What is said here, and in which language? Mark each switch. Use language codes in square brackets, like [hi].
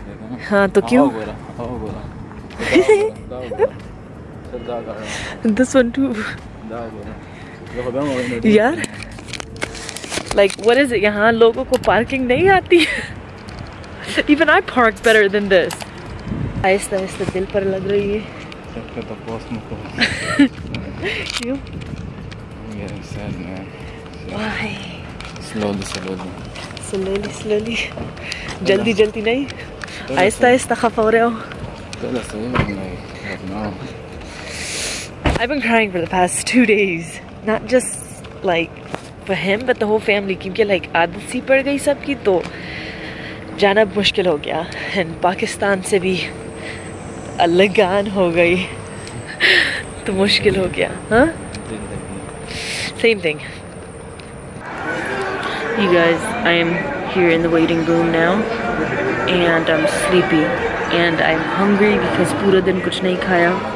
[hi] dekha na. Ha, to kyun? Aao bola. [en] This one too. [hi] Dao bola. Logo ban ho gaye. Yaar. [en] Like, what is it? [hi] Yahan logo ko parking nahi aati. [en] Even I park better than this. [hi] Aahista Aahista दिल पर लग रही है सबका तो post में तो क्यों [en] ये sad man why slowly slowly slowly slowly [hi] जल्दी जल्दी नहीं आहिस्ता आहिस्ता खफा हो रहे हो तो ना सही में नहीं [en] I don't know I been crying for the past 2 days not just like for him but the whole family [hi] क्योंकि लाइक आदत सी पड़ गई सबकी तो जाना मुश्किल हो गया [en] and Pakistan [hi] से भी लगान हो गई तो मुश्किल हो गया [en] same thing you guys I am here in the waiting room now and I am sleepy and I am hungry because [hi] पूरा दिन कुछ नहीं खाया